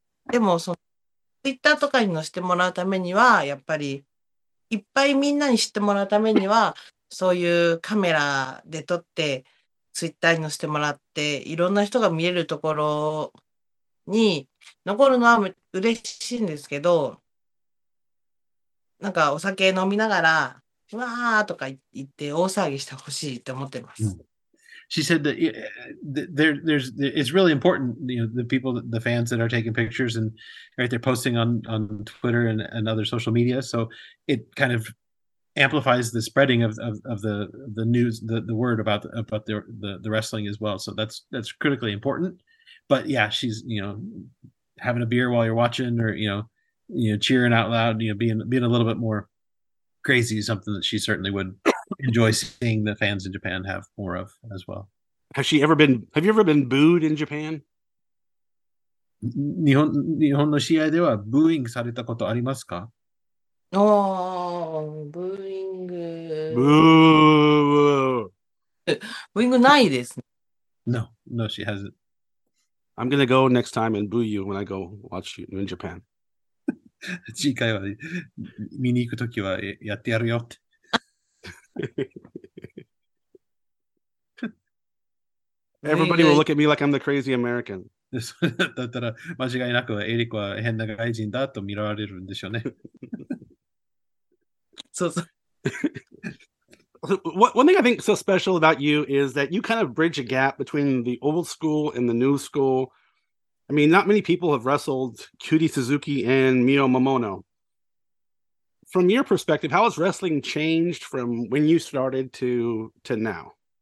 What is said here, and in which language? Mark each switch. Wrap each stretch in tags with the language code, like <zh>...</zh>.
<ja>でも、Twitter とかに載せてもらうためには、やっぱり、いっぱいみんなに知ってもらうためには、そういうカメラで撮って、ツイッターに載せてもらって、いろんな人が見れるところに残るのは嬉しいんですけど、なんかお酒飲みながら、わーとか言って大騒ぎしてほしいって思ってます。</ja> <en>She said that there's it's really important, the people that the fans that are taking pictures and right, they're posting on Twitter and other social media. So it kind of amplifies the spreading of the news, the word about the wrestling as well. So that's critically important. But yeah, she's having a beer while you're watching, or cheering out loud, being a little bit more crazy, something that she certainly would enjoy seeing the fans in Japan have more of as well. Have you ever been booed in Japan?</en> <ja>日本の試合ではブーイングされたことありますか？おー、ブブーイング。ブーイングないですね。</ja> <en>No, no, she hasn't. I'm gonna go next time and boo you when I go watch you in Japan.</en> <ja>次回は見に行くときはやってやるよって。</ja> <en>Everybody will look at me like I'm the crazy American.</en> <ja>だったら間違いなくエリコは変な外人だと見られるんでしょうね。そうそう。</ja> <en>One thing I think so special about you is that you kind of bridge a gap between the old school and the new school. I mean, not many people have wrestled Cutie Suzuki and Mio Momono. From your perspective, how has wrestling changed from when you started to now?</en>